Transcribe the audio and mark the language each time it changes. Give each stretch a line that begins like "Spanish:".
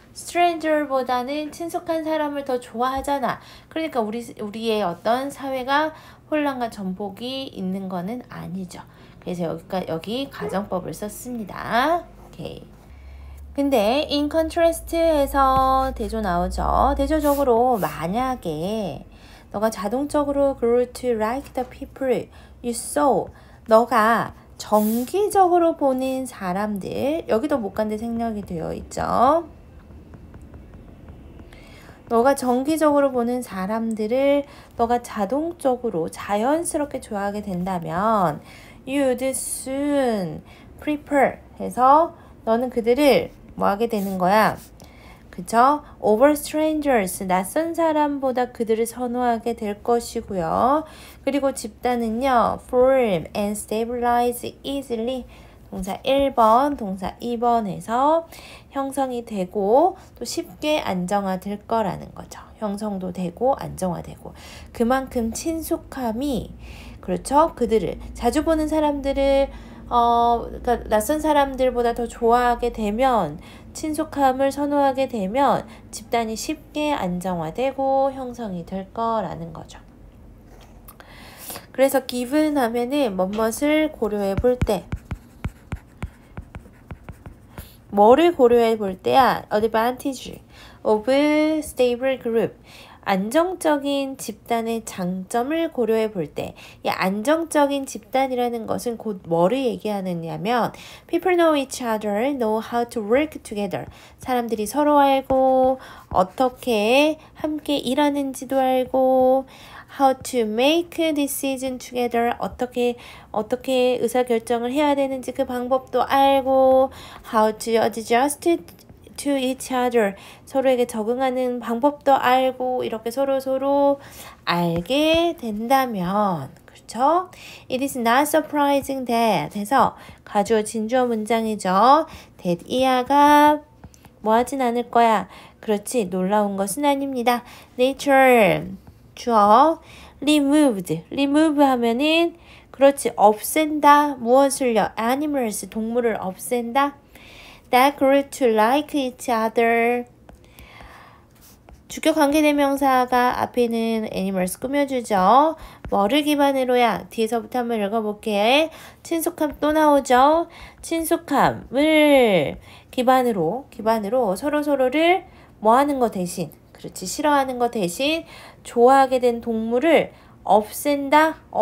Korean: Stranger보다는 친숙한 사람을 더 좋아하잖아. 그러니까 우리의 어떤 사회가 혼란과 전복이 있는 거는 아니죠. 그래서 여기 가정법을 썼습니다. 오케이. 근데 in contrast에서 대조 나오죠. 대조적으로 만약에 너가 자동적으로
English: grew to like the people you saw.
Korean: 너가 정기적으로 보는 사람들, 여기도 목간대 생략이 되어 있죠. 너가 정기적으로 보는 사람들을 너가 자동적으로 자연스럽게 좋아하게 된다면
English: you would soon prefer
Korean: 해서 너는 그들을 뭐 하게 되는 거야? 그쵸?
English: Over strangers,
Korean: 낯선 사람보다 그들을 선호하게 될 것이고요. 그리고 집단은요,
English: form and stabilize easily.
Korean: 동사 1번, 동사 2번에서 형성이 되고 또 쉽게 안정화될 거라는 거죠. 형성도 되고 안정화되고. 그만큼 친숙함이, 그렇죠? 그들을, 자주 보는 사람들을, 그러니까 낯선 사람들보다 더 좋아하게 되면 친숙함을 선호하게 되면 집단이 쉽게 안정화되고 형성이 될 거라는 거죠. 그래서 given 하면은 뭣뭣을 고려해 볼 때. 뭐를 고려해 볼 때야?
English: Advantage of stable group.
Korean: 안정적인 집단의 장점을 고려해 볼 때, 이 안정적인 집단이라는 것은 곧 뭐를 얘기하느냐면,
English: people know each other, know how to work together.
Korean: 사람들이 서로 알고, 어떻게 함께 일하는지도 알고,
English: how to make decision together.
Korean: 어떻게 의사결정을 해야 되는지 그 방법도 알고,
English: how to adjust to each other.
Korean: 서로에게 적응하는 방법도 알고, 이렇게 서로 알게 된다면, 그렇죠?
English: It is not surprising that
Korean: 해서 가주어 진주어 문장이죠. that 이하가 뭐 하진 않을 거야. 그렇지, 놀라운 것은 아닙니다.
English: nature
Korean: 주어
English: removed.
Korean: remove 하면은, 그렇지, 없앤다. 무엇을요? animals, 동물을 없앤다.
English: That grew to like each other.
Korean: 주격 관계대명사가 앞에는 animals 꾸며주죠. 뭐를 기반으로야? 뒤에서부터 한번 읽어볼게. 친숙함 또 나오죠. 친숙함을 기반으로 서로를 뭐 하는 거 대신, 그렇지, 싫어하는 거 대신 좋아하게 된 동물을 없앤다.